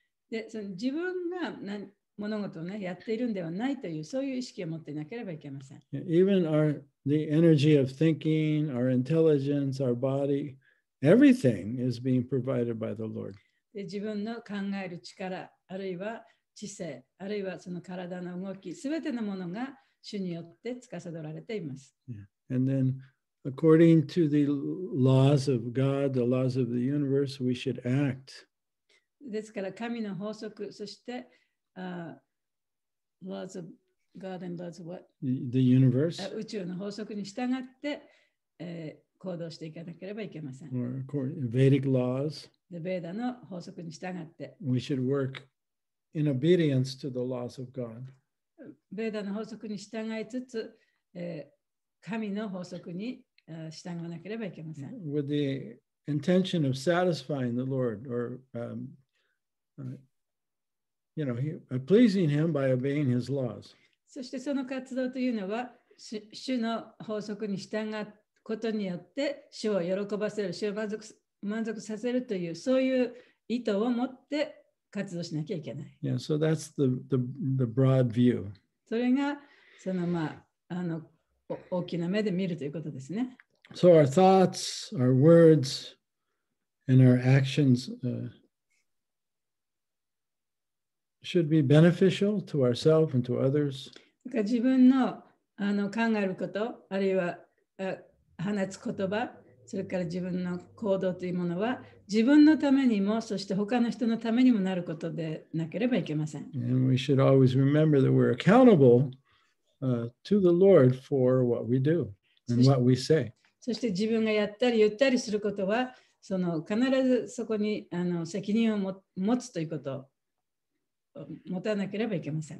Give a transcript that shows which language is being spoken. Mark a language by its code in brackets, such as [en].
[ja] で、その自分が物事をねやっているんではないというそういう意識を持っていなければいけません。 [en] Even our the energy of thinking, our intelligence, our body, everything is being provided by the Lord. [ja] で自分の考える力あるいは知性あるいはその体の動きすべてのものが主によって司られています。 [en] Yeah. And then according to the laws of God, the laws of the universe, we should act. [ja] ですから神の法則そして [en] Laws of God and laws of what? The universe. [ja] 宇宙の法則に従って、行動していかなければいけません。 [en] Or according, Vedic laws. [ja] The Veda の法則に従って。 [en] We should work in obedience to the laws of God. [ja] Veda の法則に従いつつ、神の法則に、従わなければいけません。 [en] With the intention of satisfying the Lord or You know, pleasing him by obeying his laws. [ja] そしてその活動というのは、主の法則に従うことによって、主を喜ばせる、主を満足させるという、そういう意図を持って活動しなきゃいけない。 [en] Yeah, so that's the broad view. [ja] それがその、まあ、大きな目で見るということですね。 [en] So our thoughts, our words, and our actions, should be beneficial to ourselves and to others. [ja] 自分の、考えること、あるいは、放つ言葉、それから自分の行動というものは、自分のためにも、そして他の人のためにもなることでなければいけません。 [en] And we should always remember that we're accountable, to the Lord for what we do and what we say. [ja] そして自分がやったり言ったりすることは、その必ずそこに、責任を持つということ。持たなければいけません。